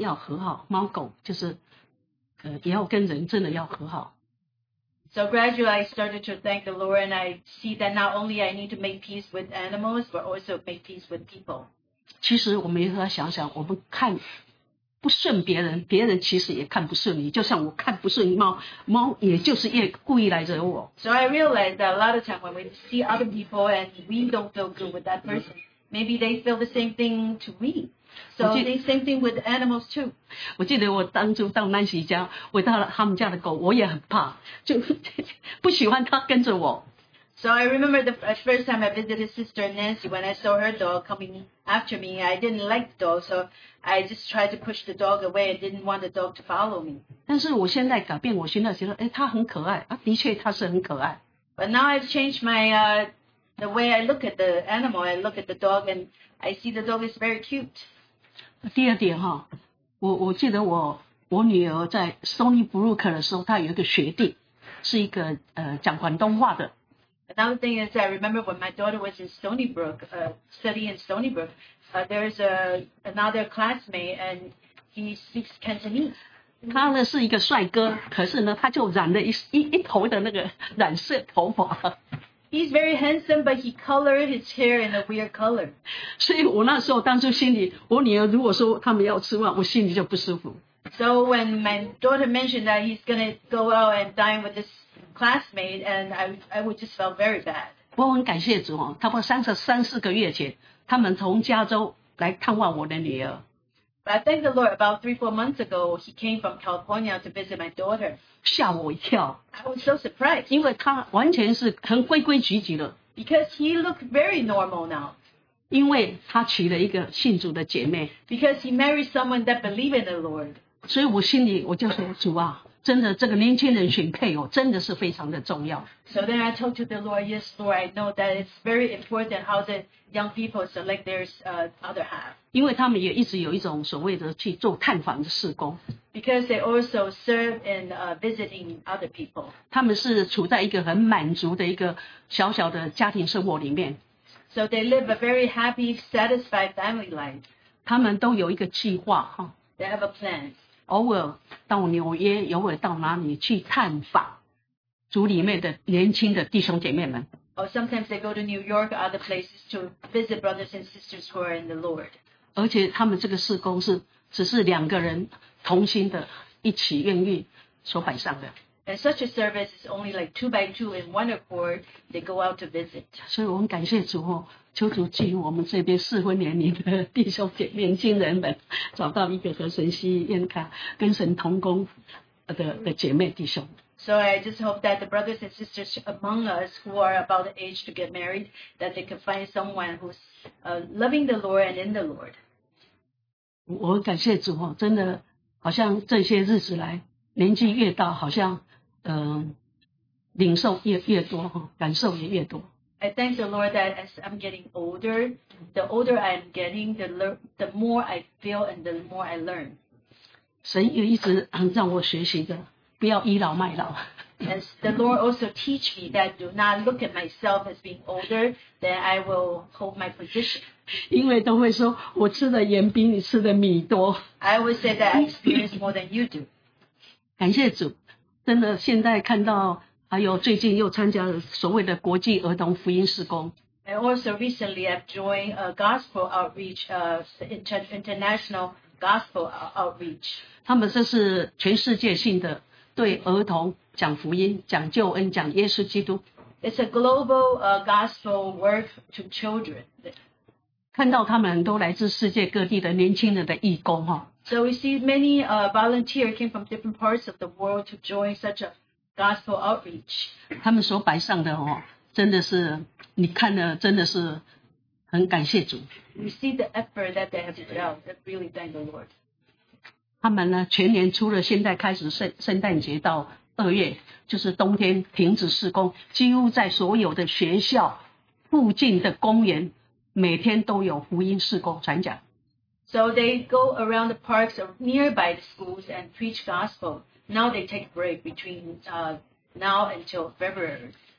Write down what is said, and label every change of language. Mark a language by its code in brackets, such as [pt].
[zh] 所以呢，我慢慢的觉得主啊，我感谢你，我愿意我受教，我不但说这个猫要和好，猫狗就是。也要跟人真的要和好。 [en] So gradually I started to thank the Lord and I see that not only I need to make peace with animals but also make peace with people. [zh] 其实我们也和他想想，我们看不顺别人，别人其实也看不顺你，就像我看不顺猫，猫也就是故意来惹我。 [en] So I realized that a lot of time when we see other people and we don't feel good with that person, maybe they feel the same thing to me. So the same thing with animals too. [zh] 我记得我当初到Nancy家，我到他们家的狗，我也很怕，就不喜欢它跟着我。 [en] So I remember the first time I visited his sister Nancy, when I saw her dog coming after me, I didn't like the dog, so I just tried to push the dog away. I didn't want the dog to follow me. [zh] 但是我现在改变我心态，觉得它很可爱，的确它是很可爱。 [en] But now I've changed my, the way I look at the animal, I look at the dog, and I see the dog is very cute. [zh] 第二点哈，我记得我女儿在 Stony Brook 的时候，她有一个学弟，是一个讲广东话的。 [en] Another thing is, I remember when my daughter was in Stony Brook, studying in Stony Brook, there's another classmate, and he speaks Cantonese. [zh] 他呢是一个帅哥，可是呢他就染了一头的那个染色头发。 [en] He's very handsome, but he colored his hair in a weird color. [zh] 所以我那时候当初心里，我女儿如果说他们要吃饭，我心里就不舒服。 [en] So when my daughter mentioned that he's gonna go out and dine with this classmate, and I would just felt very bad. [zh] 我很感谢主哦，差不多3-4个月前，他们从加州来探望我的女儿。 [en] But I thank the Lord, about 3-4 months ago, he came from California to visit my daughter. [zh] 吓我一跳。 [en] I was so surprised. [zh] 因为他完全是很规规矩矩的。 [en] Because he looked very normal now. [zh] 因为他娶了一个信主的姐妹。 [en] Because he married someone that believed in the Lord. [zh] 所以我心里我就说，主啊，真的这个年轻人选配偶真的是非常的重要。 [en] So then I told to the Lord, yes, Lord, I know that it's very important how the young people select their other half. [zh] 因为他们也一直有一种所谓的去做探访的事工。 [en] Because they also serve in visiting other people. [zh] 他们是处在一个很满足的一个小小的家庭生活里面。 [en] So they live a very happy, satisfied family life. [zh] 他们都有一个计划。 [en] They have a plan. [zh] 偶尔到纽约，偶尔到哪里去探访组里面的年轻的弟兄姐妹们。 [en] Oh, sometimes they go to New York or other places to visit brothers and sisters who are in the Lord. [zh] 而且他们这个事工是只是两个人同心的一起愿意所摆上的。 [en] And such a service is only like 2x2 in one accord, they go out to visit. [zh] 所以我们感谢主哦，求主祝福我们这边适婚年龄的弟兄姐年轻人们找到一个和神心意、愿他跟神同工 的姐妹弟兄。 [en] So I just hope that the brothers and sisters among us who are about the age to get married, that they can find someone who's loving the Lord and in the Lord. [zh] 我感谢主哦，真的好像这些日子来年纪越大，好像领受越多，感受也越多。 [en] I thank the Lord that as I'm getting older, the older I'm getting, the more I feel and the more I learn. [zh] 神也一直让我学习的，不要倚老卖老。 [en] And the Lord also teach me that do not look at myself as being older, then I will hold my position. [zh] 因为都会说我吃的盐比你吃的米多。 [en] I would say that I experience more than you do. [zh] 感谢主，真的现在看到还有最近又参加所谓的国际儿童福音事工。 [en] And also recently I've joined a gospel outreach, international gospel outreach. [zh] 他们这是全世界性的对儿童讲福音、讲救恩、讲耶稣基督。 [en] It's a global gospel work to children. [zh] 看到他们都来自世界各地的年轻人的义工哈。 [en] So we see many volunteers came from different parts of the world to join such a. Gospel outreach. [zh] 他们所摆上的哦，真的是你看了，真的是很感谢主。 [en] We see the effort that they have put out. That really thank the Lord. [zh] 他们呢，全年除了现在开始圣诞节到二月，就是冬天停止施工，几乎在所有的学校附近的公园，每天都有福音事工传讲。 [en] So they go around the parks of nearby the schools and preach gospel. Now they take break between now until February.